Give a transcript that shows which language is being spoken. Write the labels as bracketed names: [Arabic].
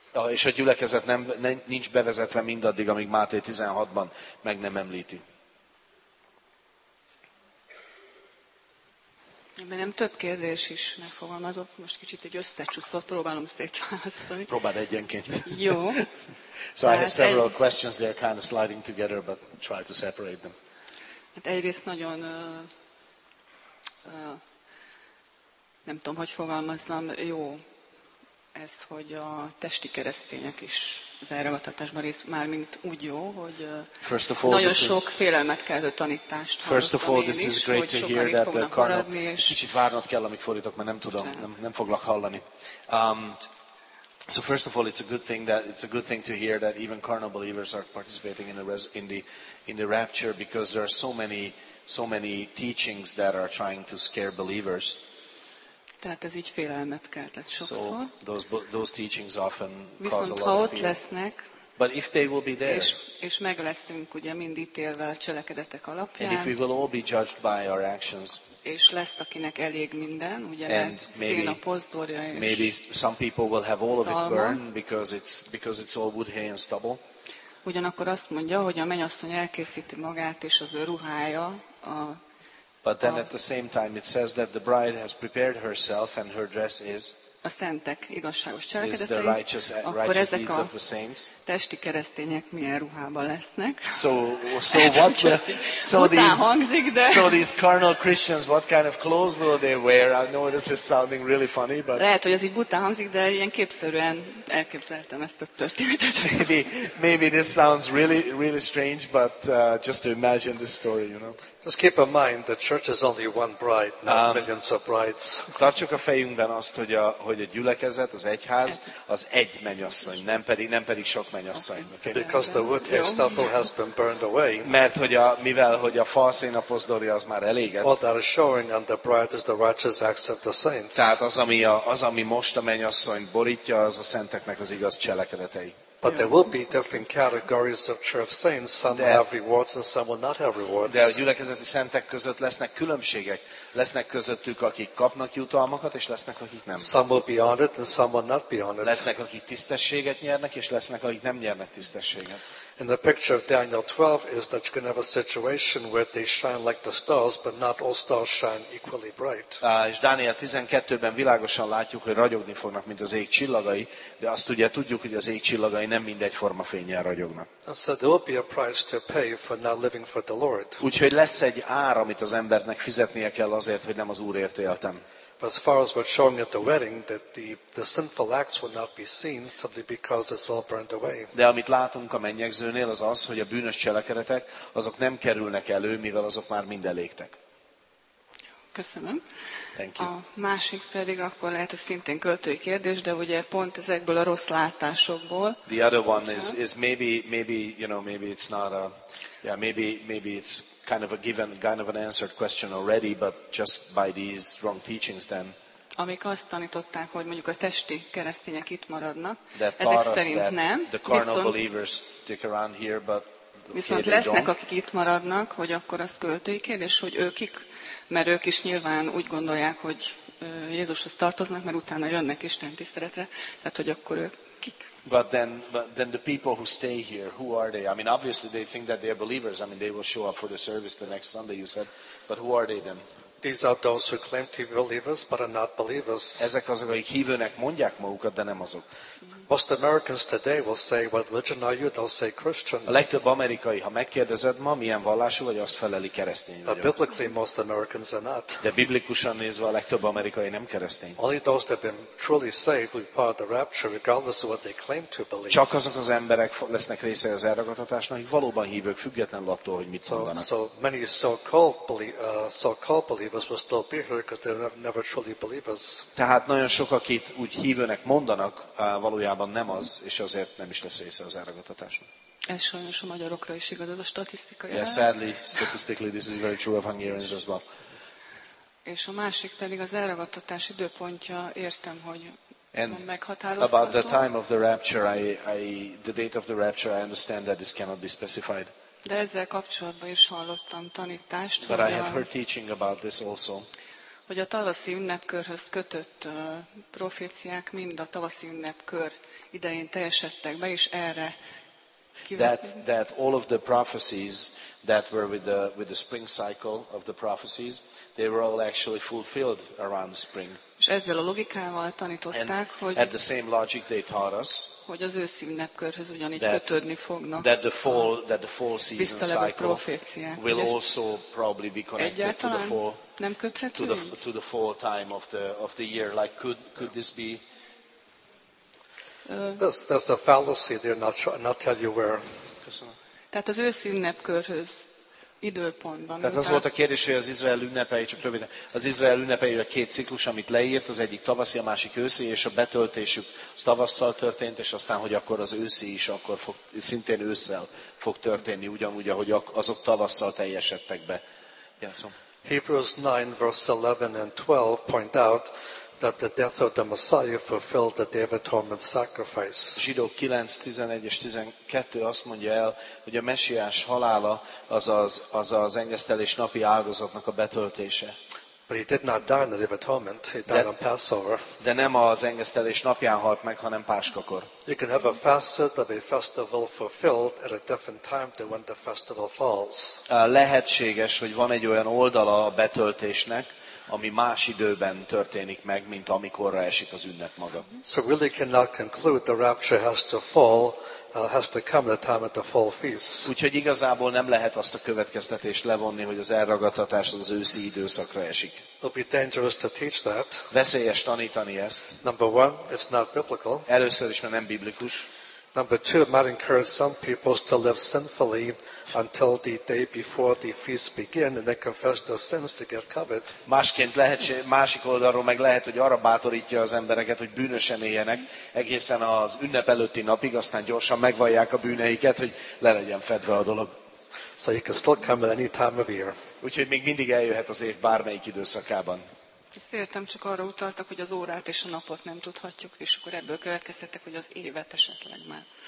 [Hungarian] És a gyülekezet nincs bevezetve mindaddig, amíg Máté 16-ban meg nem említi. Ebben nem több kérdés is megfogalmazott, most kicsit egy összecsúszott, próbálom szétválasztani. Próbáld egyenként. Jó. [English] So I have several questions, they are kind of sliding together, but try to separate them. [Hungarian] Hát egyrészt nagyon, nem tudom, hogy fogalmazzam, jó. Ez, hogy a testi keresztények is az elragadtatásban részt, mármint úgy jó, hogy nagyon sok félelmet keltő tanítást hallottam én is, hogy sokan itt fognak maradni, és... Kicsit várnod kell, amíg fordítok, mert nem tudom, nem foglak hallani. [English] So first of all, it's a good thing to hear that even carnal believers are participating in the rapture, because there are so many teachings that are trying to scare believers. [Hungarian] Tehát ez így félelmet keltett sokszor. [English] So those teachings often a lot of fear. [Hungarian] Viszont ha ott lesznek, [English] but if they will be there, [Hungarian] és meg leszünk ugye mind ítélve a cselekedetek alapján, [English] and if we will all be judged by our actions, [Hungarian] és lesz, akinek elég minden, ugye lehet szén a pozdorja és [English] maybe some people will have all of it burned because it's all wood, hay and stubble. [Hungarian] Ugyanakkor azt mondja, hogy a mennyasszony elkészíti magát és az ő ruhája a [English] But then at the same time it says that the bride has prepared herself and her dress is [Hungarian] a szentek igazságos cselekedetei, [English] the righteous, [Hungarian] akkor ezek [English] deeds of the saints. [Hungarian] Testi keresztények milyen ruhában lesznek? [English] So these carnal Christians, what kind of clothes will they wear? I know this is sounding really funny, but [Hungarian] lehet, hogy ez így buta hangzik, de ilyen képszerűen elképzeltem ezt a történetet. [English] Maybe this sounds really really strange, but just to imagine this story, you know. Just keep in mind the church is only one bride, not millions of brides. [Hungarian] Tartsuk a fejünkben azt, hogy a gyülekezet, az egyház, az egy mennyasszony, nem pedig sok mennyasszony. [English] Okay? Because the wood hay stubble has been burned away. [Hungarian] Mert mivel a falszén a pozdorja az már elégett. [English] All that is showing on the bride is the righteous acts of the saints. [Hungarian] Tehát az ami most a mennyasszony borítja, az a szenteknek az igaz cselekedetei. [English] But there will be different categories of church saints. Some will have rewards and some will not have rewards. [Hungarian] De a gyülekezeti szentek között lesznek különbségek. Lesznek közöttük, akik kapnak jutalmakat, és lesznek, akik nem. [English] Some will be honored and some will not be honored. [Hungarian] Lesznek, akik tisztességet nyernek, és lesznek, akik nem nyernek tisztességet. [English] In the picture of Daniel 12 is that you can have a situation where they shine like the stars, but not all stars shine equally bright. [Hungarian] És Dániel 12-ben világosan látjuk, hogy ragyogni fognak, mint az ég csillagai, de azt ugye tudjuk, hogy az ég csillagai nem mindegyforma fényen ragyognak. [English] And so there will be a price to pay for not living for the Lord. [Hungarian] Úgyhogy lesz egy ár, amit az embernek fizetnie kell azért, hogy nem az Úrért éltem. [English] But as far as what's showing at the wedding, that the sinful acts will not be seen simply because it's all burned away. [Hungarian] De amit látunk a mennyegzőnél, az, hogy a bűnös cselekedetek, azok nem kerülnek elő, mivel azok már mind elégtek. Köszönöm. [English] Thank you. [Hungarian] A másik pedig akkor lehet, hogy szintén költői kérdés, de ugye pont ezekből a rossz látásokból. [English] The other one is maybe you know, maybe it's not a yeah, maybe it's kind of a given, kind of an answered question already, but just by these wrong teachings then. [Hungarian] Amik azt tanították, hogy mondjuk a testi keresztények itt maradnak, ezek szerint nem. [English] The carnal believers stick around here, but [Hungarian] viszont lesznek, akik itt maradnak, hogy akkor az költői kérdés, hogy ők, mert ők is nyilván úgy gondolják, hogy Jézushoz tartoznak, mert utána jönnek Isten tiszteletre, tehát hogy akkor ők kik. [English] But then the people who stay here, who are they? I mean, obviously they think that they are believers. I mean, they will show up for the service the next Sunday, you said. But who are they then? These are those who claim to be believers but are not believers. [Hungarian] Ezek azok, akik hívőnek mondják magukat, de nem azok. [English] Most Americans today will say, "What religion are you?" They'll say Christian. [Hungarian] A legtöbb amerikai, ha megkérdezed ma, milyen vallású vagy, azt feleli, keresztény vagyok. [English] But biblically, most Americans are not. [Hungarian] De biblikusan nézve a legtöbb amerikai nem keresztény. [English] Only those that have been truly saved will be part of the rapture, regardless of what they claim to believe. [Hungarian] Csak azok az emberek lesznek része az elragadtatásnak, akik valóban hívők, függetlenül attól, hogy mit mondanak. [English] So many so-called believers will still be here because they're never truly believers. [Hungarian] Tehát nagyon sok, akit úgy hívőnek mondanak, valójában nem az, és azért nem is lesz része az elragadtatásnak. Ez sajnos a magyarokra is igaz, ez a statisztika. [English] Yeah, sadly, statistically, this is very true of Hungarians as well. [Hungarian] És a másik pedig az elragadtatás időpontja, értem, hogy [English] and [Hungarian] nem meghatározható. [English] About the time of the rapture, the date of the rapture, I understand that this cannot be specified. [Hungarian] De ezzel kapcsolatban is hallottam tanítást, [English] but I have heard teaching about this also. [Hungarian] Hogy a tavaszi ünnepkörhöz kötött proféciák mind a tavaszi ünnepkör idején teljesedtek be, és erre [English] that all of the prophecies that were with the spring cycle of the prophecies, they were all actually fulfilled around the spring. [Hungarian] És ezzel a logikával tanították, hogy [English] at the same logic they taught us, [Hungarian] hogy az őszi ünnepkörhöz ugyanígy kötődni fognak. [English] That the fall season cycle will also probably be connected to the fall. [Hungarian] Nem köthető [English] to the fall time of the year, like could this be? That's a fallacy. They're not tell you where. [Hungarian] Tehát az őszi ünnepkörhöz időpontban. Tehát az volt a kérdés, hogy az Izrael ünnepei, csak röviden, az Izrael ünnepei, a két ciklus, amit leírt, az egyik tavaszi, a másik őszi, és a betöltésük az tavasszal történt, és aztán, hogy akkor az őszi is akkor fog, szintén ősszel fog történni, ugyanúgy, ahogy azok tavasszal teljesedtek be. [English] Hebrews 9, verse 11 and 12 point out that the death of the Messiah fulfilled the Day of Atonement sacrifice. [Hungarian] Zsidók 9, 11 és 12 azt mondja el, hogy a Messiás halála az engesztelés napi áldozatnak a betöltése. [English] But he did not die in the Day of Atonement, he died on Passover. [Hungarian] De nem az engesztelés napján halt meg, hanem Páskakor. [English] You can have a facet of a festival fulfilled at a different time than when the festival falls. [Hungarian] Lehetséges, hogy van egy olyan oldala a betöltésnek, ami más időben történik meg, mint amikorra esik az ünnep maga. [English] So really cannot conclude the rapture has to come the time at the fall feast. [Hungarian] Úgyhogy igazából nem lehet azt a következtetést levonni, hogy az elragadtatás az őszi időszakra esik. [English] It'll be dangerous to teach that. [Hungarian] Veszélyes tanítani ezt. [English] Number one, it's not biblical. [Hungarian] Először is, mert nem biblikus. [English] Number two, it might encourage some people to live sinfully until the day before the feast begin and then confess their sins to get covered. [Hungarian] Másként lehet, másik oldalról meg lehet, hogy arra bátorítja az embereket, hogy bűnösen éljenek egészen az ünnep előtti napig, aztán gyorsan megvallják a bűneiket, hogy le legyen fedve a dolog. [English] So you can still come at any time of year. [Hungarian] Úgyhogy még mindig eljöhet az év bármelyik időszakában. Ezt értem, csak arra utaltak, hogy az órát és a napot nem tudhatjuk, és akkor ebből következtettek, hogy az évet esetleg már.